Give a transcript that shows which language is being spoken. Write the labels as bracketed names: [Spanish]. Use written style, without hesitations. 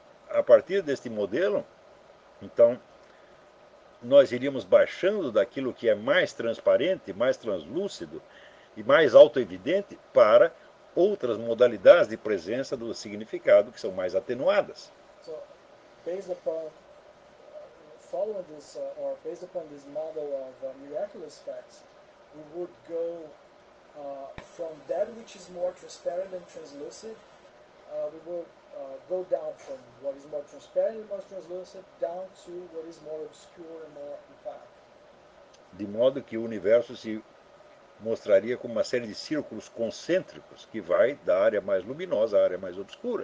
[Portuguese] A partir deste modelo, então, nós iríamos baixando daquilo que é mais transparente, mais translúcido e mais autoevidente para outras modalidades de presença do significado que são mais atenuadas. [English] So, based upon following this or based upon this model of miraculous facts, we would go from that which is more transparent and translucent, we would go down from what is more transparent and more translucent down to what is more obscure and more opaque. [Portuguese] De modo que o universo se mostraria como uma série de círculos concêntricos que vai da área mais luminosa à área mais obscura.